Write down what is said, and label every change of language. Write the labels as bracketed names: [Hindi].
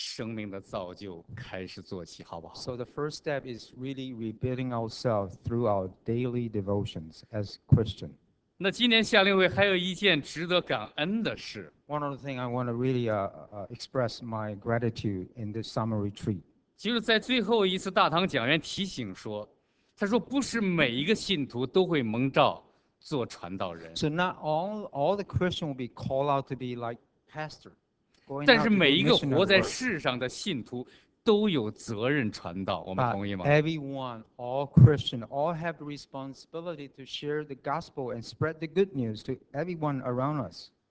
[Chinese] 就从我们日常的生命的造就开始做起，好不好？ [English] So the first step is really rebuilding ourselves through our daily devotions as Christian. [Chinese] 那今年夏令会还有一件值得感恩的事。One [English] other thing I want to really express my gratitude in this summer retreat. [Chinese] 就是在最后一次大堂讲员提醒说， 他说：“不是每一个信徒都会蒙召做传道人。”So [English] not all the Christians will be called out to be like pastor. [Chinese] 但是每一个活在世上的信徒都有责任传道，我们同意吗？ [English] Everyone, all Christians, all have the responsibility to share the gospel and spread the good news to everyone around us.